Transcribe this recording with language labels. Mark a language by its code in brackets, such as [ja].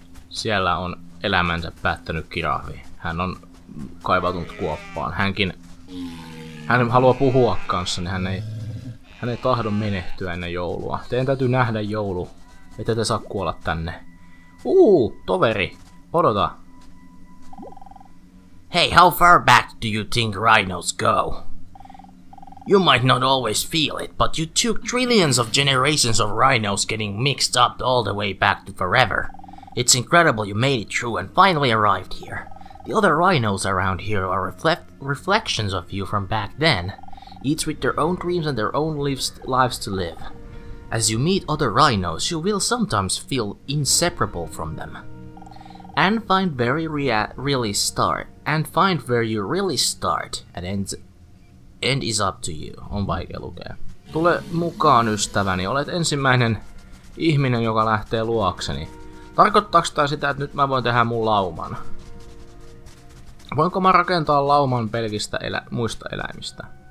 [fi] Siellä on elämänsä päättänyt kirahvi. Hän on kaivautunut kuoppaan. Hän haluaa puhua kanssani, niin hän ei tahdo menehtyä ennen joulua. Teidän täytyy nähdä joulu, ettei te saa kuolla tänne. Toveri, odota. [en] Hey, how far back do you think rhinos go? You might not always feel it, but you took trillions of generations of rhinos getting mixed up all the way back to forever. It's incredible you made it through and finally arrived here. The other rhinos around here are reflections of you from back then, each with their own dreams and their own lives to live. As you meet other rhinos, you will sometimes feel inseparable from them. and find where you really start, and find where you really start, and end is up to you, [fi] on vaikea lukea. Tule mukaan, ystäväni, olet ensimmäinen ihminen, joka lähtee luokseni. Tarkoittaako tämä sitä, että nyt mä voin tehdä mun lauman? Voinko mä rakentaa lauman pelkistä muista eläimistä?